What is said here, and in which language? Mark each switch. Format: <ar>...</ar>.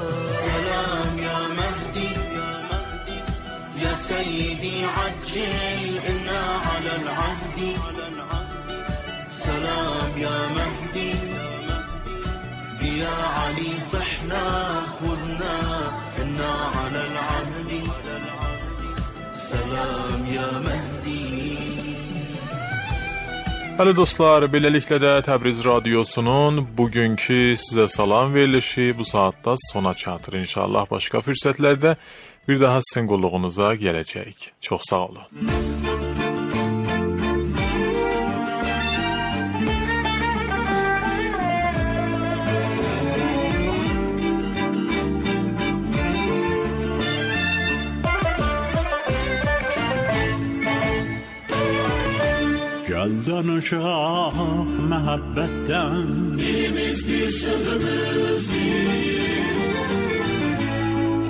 <ar>سلام يا مهدي يا سيدي عجل إنا على العهد سلام يا مهدي يا علي صحنا خذنا إنا على العهد سلام يا مهدي</ar> <az>Əli dostlar, beləliklə də Təbriz Radiosunun bugünkü sizə salam verilişi bu saatda sona çatır. İnşallah başqa fürsətlərdə bir daha sizin qulluğunuza gələcək. Çox sağ olun. Gel danışaq məhəbbətdən Dilimiz bir sözümüz bir</az>